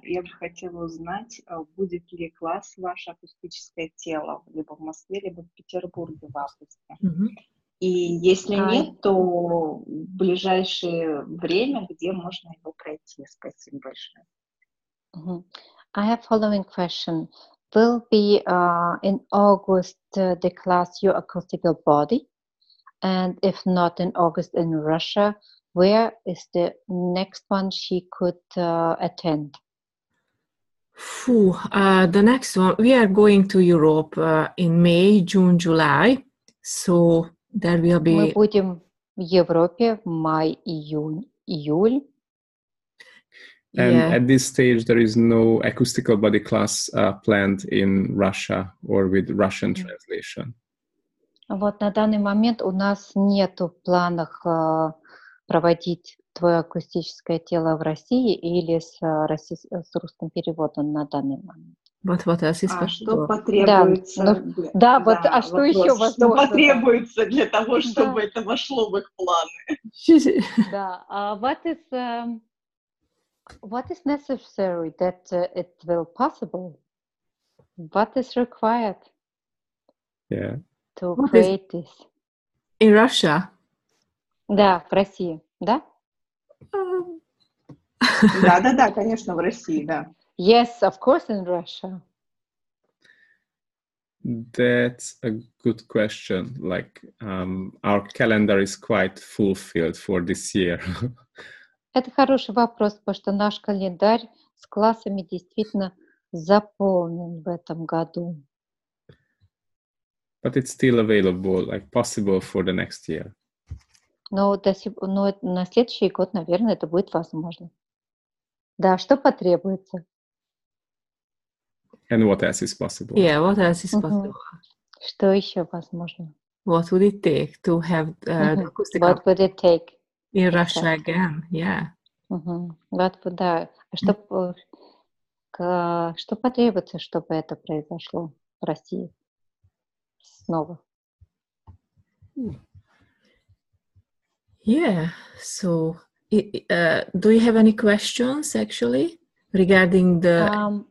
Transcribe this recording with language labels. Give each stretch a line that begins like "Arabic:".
Russian: Я бы хотела узнать, будет ли класс ваше акустическое тело либо в Москве, либо в Петербурге в августе. Mm-hmm. И если нет, то в ближайшее время, где можно его пройти? Спасибо большое.
English: I have following question. Will be in August the class Your Acoustical Body? And if not in August in Russia, where is the next one she could attend? The next one, we are going to Europe in May, June, July. So there will be...
Russian: Мы будем в Европе в май, июль.
English: And yeah. At this stage, there is no acoustical body class planned in Russia or with Russian translation.
Russian: Вот на данный момент у нас нету в планах проводить твое акустическое тело в России или с русским переводом на данный момент.
English: But what else is
Russian: что потребуется? Да, вот, а что вопрос, еще возможно? Что потребуется для того, чтобы это вошло в их планы? Да,
English: what is What is necessary that it will possible? What is required? Yeah. To create this. In Russia.
Russian: Да, в России, да? Да, да, да, конечно, в России, да.
English: Yes, of course, in Russia. That's a good question. Like, our calendar is quite fulfilled for this year.
Russian: Это хороший вопрос, потому что наш календарь с классами действительно заполнен в этом году.
English: But it's still available, like possible for the next year.
Russian: Но на следующий год, наверное, это будет возможно. Да, что потребуется?
English: And what else is possible? Yeah, what else is possible? Mm-hmm.
Russian: Что еще возможно?
English: What would it take to have the acoustic? What would it take? In Russia again, yeah. Mm-hmm. What would
Russian: да. Что, что потребуется, чтобы это произошло в России снова?
English: Yeah. So, do you have any questions actually regarding the?